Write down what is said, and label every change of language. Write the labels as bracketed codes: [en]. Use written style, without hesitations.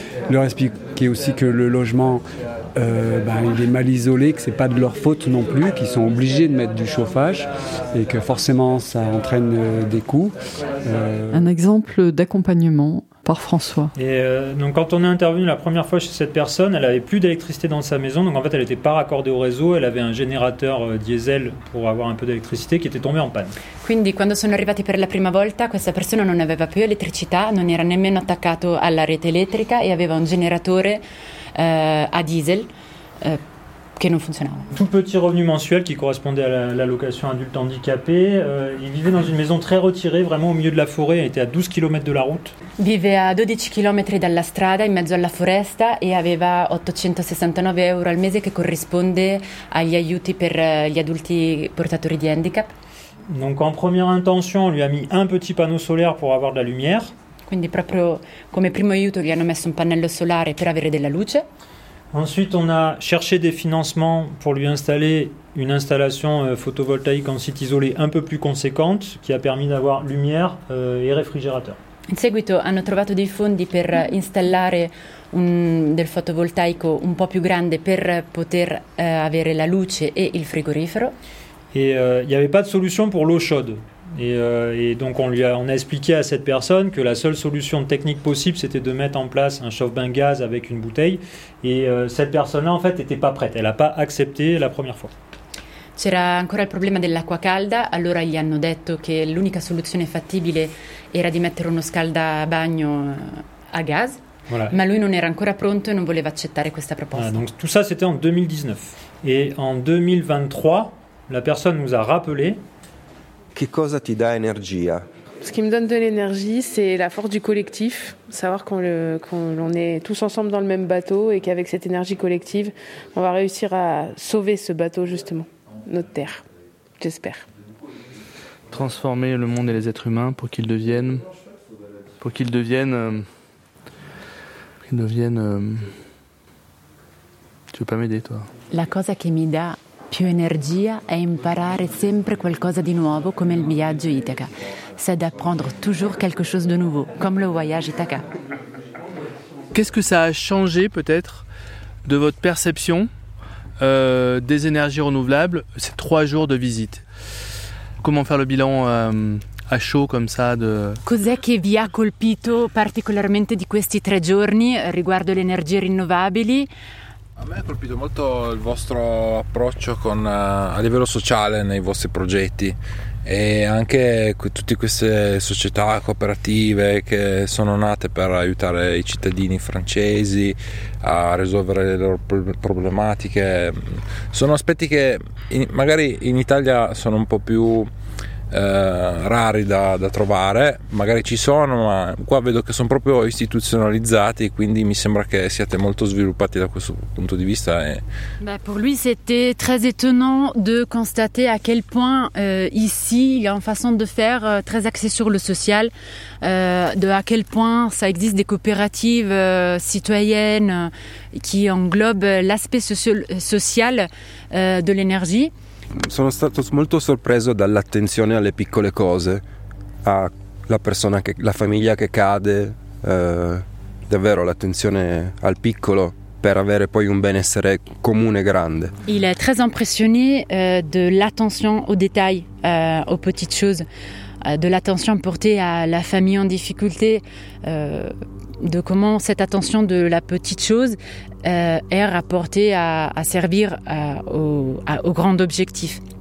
[fr] Leur expliquer aussi que le logement... il est mal isolé, que c'est pas de leur faute non plus, qu'ils sont obligés de mettre du chauffage et que forcément ça entraîne des coûts. Un exemple d'accompagnement par François. Donc quand on est intervenu la première fois chez cette personne, elle avait plus d'électricité dans sa maison, donc en fait elle était pas raccordée au réseau, elle avait un générateur diesel pour avoir un peu d'électricité qui était tombé en panne. [it] Quindi quando sono arrivati per la prima volta, questa persona non aveva più elettricità, non era nemmeno attaccato alla rete elettrica e aveva un generatore a diesel [fr] qui ne fonctionnait pas. Tout petit revenu mensuel qui correspondait à l'allocation adulte handicapé. Il vivait dans une maison très retirée, vraiment au milieu de la forêt. Il était à 12 km de la route. Il vivait à [it] 12 km dalla strada, in mezzo alla foresta, [fr] et avait [it] 869 euros al mese, [fr] qui correspondait [it] agli aiuti per gli adulti portatori di handicap. [fr] Donc en première intention, on lui a mis un petit panneau solaire pour avoir de la lumière. [it] Quindi proprio come primo aiuto gli hanno messo un pannello solare per avere della luce. [fr] Ensuite, on a cherché des financements pour lui installer une installation photovoltaïque en site isolé un peu plus conséquente qui a permis d'avoir lumière et réfrigérateur. [it] In seguito hanno trovato dei fondi per installare del fotovoltaico un po' più grande per poter avere la luce e il frigorifero. [fr] Et il n'y avait pas de solution pour l'eau chaude. Et donc on a expliqué à cette personne que la seule solution technique possible, c'était de mettre en place un chauffe-bain gaz avec une bouteille. Et cette personne-là, en fait, n'était pas prête. Elle n'a pas accepté la première fois. [it] C'era ancora il problema dell'acqua calda. Allora gli hanno detto che l'unica soluzione fattibile era di mettere uno scaldabagno a gas. Voilà. Ma lui non era ancora pronto e non voleva accettare questa proposta. [fr] Donc tout ça, c'était en 2019. Et en 2023... La personne nous a rappelé. [it] Che cosa ti dà energia? [fr] Ce qui me donne de l'énergie, c'est la force du collectif. Savoir qu'on est tous ensemble dans le même bateau et qu'avec cette énergie collective, on va réussir à sauver ce bateau, justement, notre terre. J'espère. Transformer le monde et les êtres humains pour qu'ils deviennent. Pour qu'ils deviennent. Qu'ils deviennent. Tu veux pas m'aider, toi? [it] La cosa che mi dà più energia è imparare sempre qualcosa di nuovo, come il viaggio Ithaca. [fr] C'est d'apprendre toujours quelque chose de nouveau, comme le voyage Ithaca. Qu'est-ce que ça a changé, peut-être, de votre perception des énergies renouvelables, ces trois jours de visite? Comment faire le bilan à chaud, comme ça, de... [it] Cos'è che vi ha colpito particolarmente di questi tre giorni riguardo le energie rinnovabili? A me ha colpito molto il vostro approccio a livello sociale nei vostri progetti e anche tutte queste società cooperative che sono nate per aiutare i cittadini francesi a risolvere le loro problematiche. Sono aspetti che magari in Italia sono un po' più rari da trovare, magari ci sono, ma qua vedo che sono proprio istituzionalizzati, quindi mi sembra che siate molto sviluppati da questo punto di vista. [fr] Beh, pour lui c'était très étonnant de constater à quel point ici il y a une façon de faire très axée sur le social, de à quel point ça existe des coopératives citoyennes qui englobent l'aspect social de l'énergie. [it] Sono stato molto sorpreso dall'attenzione alle piccole cose, alla persona, la famiglia che cade, davvero l'attenzione al piccolo per avere poi un benessere comune grande. [fr] Il è très impressionné de l'attention aux détails, aux petites choses, de l'attention portée à la famille en difficulté, de comment cette attention de la petite chose est rapportée à servir au grand objectif.